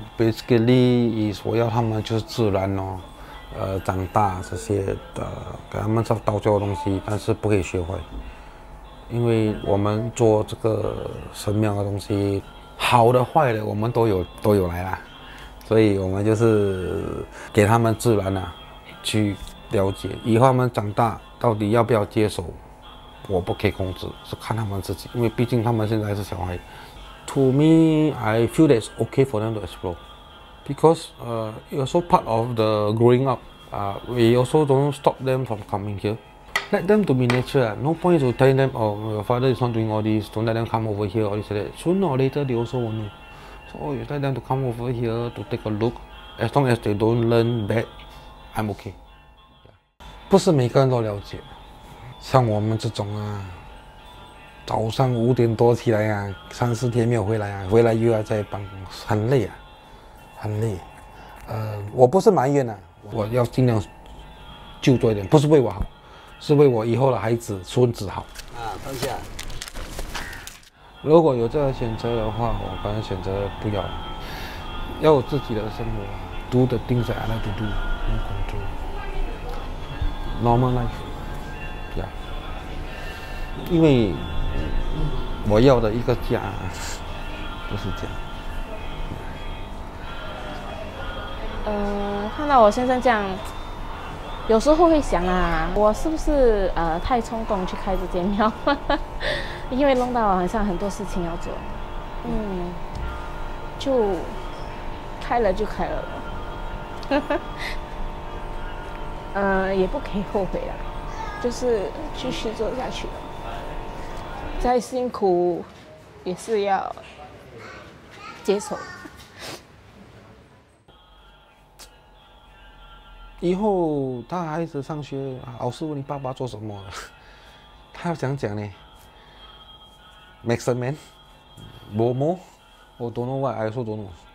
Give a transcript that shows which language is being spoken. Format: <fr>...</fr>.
<zh>Basically， 我要他们就是自然哦，长大这些的，给他们做道教的东西，但是不可以学会，因为我们做这个神庙的东西，好的坏的我们都有来啦，所以我们就是给他们自然啊去了解，以后他们长大到底要不要接手。我不可以控制，是看他们自己，因为毕竟他们现在是小孩。</zh> <en>To me, I feel that it's okay for them to explore, because also part of the growing up. We also don't stop them from coming here. Let them to be nature. No point to telling them, oh, your father is not doing all this. Don't let them come over here. All this and that. Sooner or later, they also won't know. So you let them to come over here to take a look. As long as they don't learn bad, I'm okay.</en> <zh>不是每个人都了解。像我们这种啊，早上五点多起来啊，三四天没有回来啊，回来又要再办公室，很累啊，很累。我不是埋怨啊，我要尽量就做一点，不是为我好，是为我以后的孩子孙子好啊。放下。如果有这个选择的话，我可能选择不要，要有自己的生活。</zh> <en>Do the things that I like to do, in control. Normal life.</en> <zh>因为我要的一个家不是这样。看到我先生这样，有时候会想啊，我是不是太冲动去开这间庙，因为弄到好像很多事情要做。就开了就开了了。也不可以后悔啦，就是继续做下去了。再辛苦也是要接受。以后他孩子上学，老师问你爸爸做什么，他要想讲呢。</zh> <en>Maxon Man, Momo, I don't know why, I also don't know.</en>